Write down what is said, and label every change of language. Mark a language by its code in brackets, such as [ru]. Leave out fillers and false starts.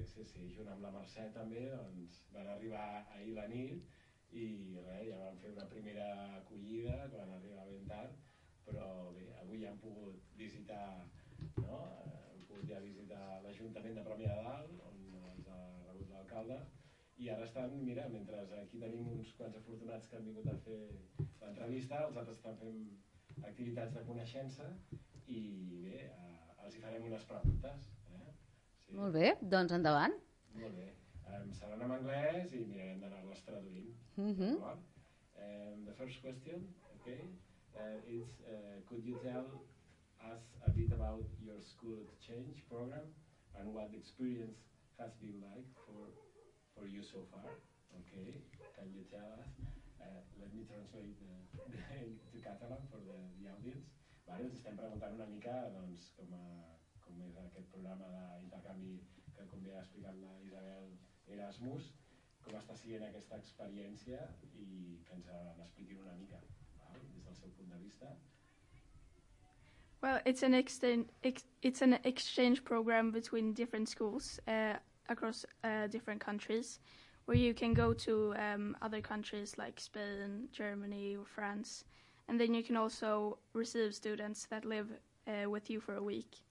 [ca] Sí, junt amb la Mercè també, doncs van arribar ahir la nit i ja van fer una primera acollida, que van arribar ben tard, però bé, avui ja han pogut visitar, no?, ja visita l'Ajuntament de Premià de Dalt, on ens ha rebut l'alcalde, i ara estan, mira, mentre aquí tenim uns quants afortunats que han vingut a fer l'entrevista, els altres estan fent activitats de coneixença, i bé, els hi farem unes preguntes. Sí. Molt bé, doncs endavant. Molt bé, seran en anglès i mirarem d'anar-les traduint. Mm-hmm. [en] The first question, okay, it's, could you tell us a bit about your school exchange program and what the experience has been like for you so far. Okay, can you tell us? Let me translate to Catalan for the audience. [ca] Vale, us estem preguntant una mica doncs, com és aquest programa d'intercanvi que, com bé ha explicat la Isabel Erasmus, com està sent aquesta experiència i que ens l'expliquin una mica, vale, des del seu punt de vista. [en] Well, it's an exchange program between different schools across different countries, where you can go to other countries like Spain, Germany, or France, and then you can also receive students that live with you for a week.